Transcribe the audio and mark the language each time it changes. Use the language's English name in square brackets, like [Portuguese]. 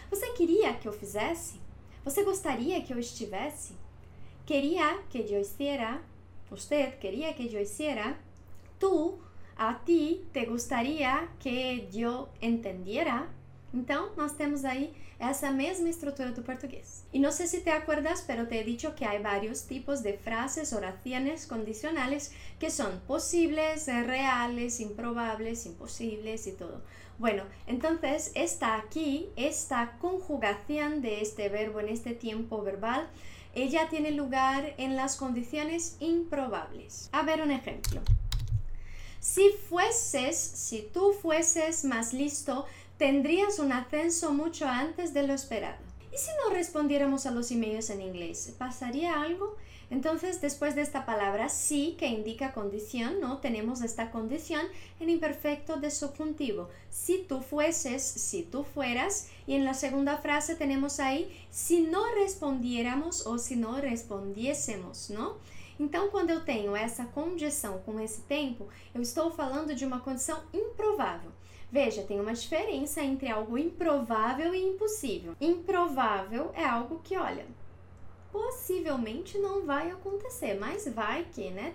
[Portuguese] Você queria que eu fizesse? Você gostaria que eu estivesse? Queria que eu hiciera? Você queria que eu hiciera? Tu, a ti, te gostaria que eu entendiera? Então, nós temos aí essa mesma estrutura do português. E não sei se [Spanish] te acuerdas, pero te he dicho que hay varios tipos de frases, oraciones, condicionales, que son posibles, reales, improbables, imposibles y todo. Bueno, entonces, esta aquí, esta conjugación de este verbo en este tiempo verbal, ella tiene lugar en las condiciones improbables. A ver un ejemplo. Si tú fueses más listo, tendrías un ascenso mucho antes de lo esperado. ¿Y si no respondiéramos a los emails en inglés? ¿Pasaría algo? Entonces, después de esta palabra sí, que indica condición, ¿no? Tenemos esta condición en imperfecto de subjuntivo. Si tú fueses, si tú fueras. Y en la segunda frase tenemos ahí, si no respondiéramos o si no respondiésemos, ¿no? [Portuguese] Então, quando eu tenho essa condição com esse tempo, eu estou falando de uma condição improvável. Veja, tem uma diferença entre algo improvável e impossível. Improvável é algo que, olha, possivelmente não vai acontecer, mas vai que, né?